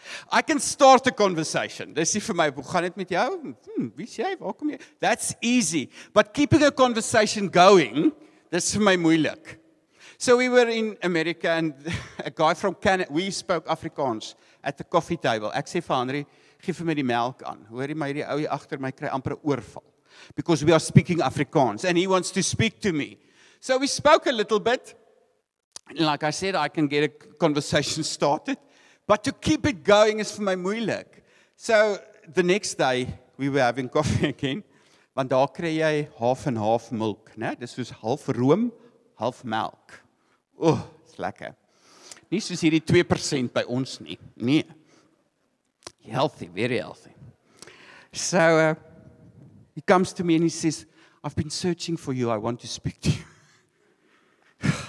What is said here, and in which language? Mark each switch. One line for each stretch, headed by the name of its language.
English: I can start a conversation.
Afrikaans: Dis vir my, hoe gaan dit met jou? Wie is jy? Waar kom jy?
English: That's easy. But keeping a conversation going,
Afrikaans: dis vir my moeilik.
English: So we were in America and a guy from Canada, we spoke Afrikaans at the coffee table.
Afrikaans: Ek sê vir Henry, gee vir my die melk aan. Hoor jy my, die ou hier agter my kry amper 'n oorval.
English: Because we are speaking Afrikaans and he wants to speak to me. So we spoke a little bit. Like I said, I can get a conversation started. But to keep it going is
Afrikaans: vir my moeilik.
English: So the next day we were having coffee again.
Afrikaans: Want daar kry jy half en half melk, né? Dis soos half room, half melk. Ooh, dis lekker. Nie soos hierdie 2% by ons nie.
English: Nee. Healthy, very healthy. So he comes to me and he says, I've been searching for you. I want to speak to you.